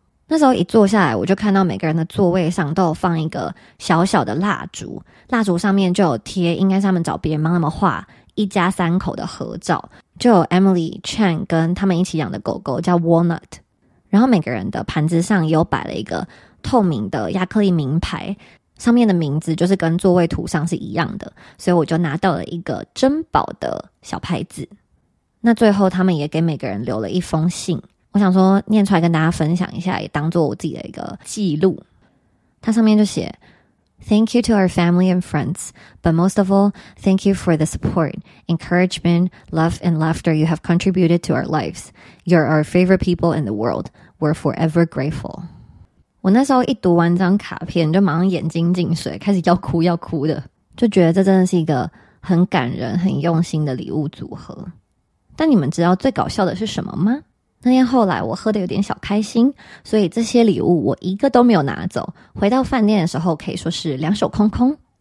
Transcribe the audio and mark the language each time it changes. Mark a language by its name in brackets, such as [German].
[Chinese] 那时候一坐下来我就看到每个人的座位上都有放一个小小的蜡烛，蜡烛上面就有贴应该是他们找别人帮他们画一家三口的合照，就有 Emily Chan 跟他们一起养的狗狗叫 Walnut， 然后每个人的盘子上也有摆了一个透明的亚克力名牌，上面的名字就是跟座位图上是一样的，所以我就拿到了一个珍宝的小牌子。那最后他们也给每个人留了一封信，我想说念出来跟大家分享一下，也当作我自己的一个记录。它上面就写 [English] Thank you to our family and friends, but most of all, thank you for the support, encouragement, love and laughter you have contributed to our lives. You're our favorite people in the world. We're forever grateful. [Chinese] 我那时候一读完这张卡片就马上眼睛进水，开始要哭要哭的，就觉得这真的是一个很感人很用心的礼物组合。但你们知道最搞笑的是什么吗？那天后来我喝得有点小开心，所以这些礼物我一个都没有拿走，回到饭店的时候可以说是两手空空。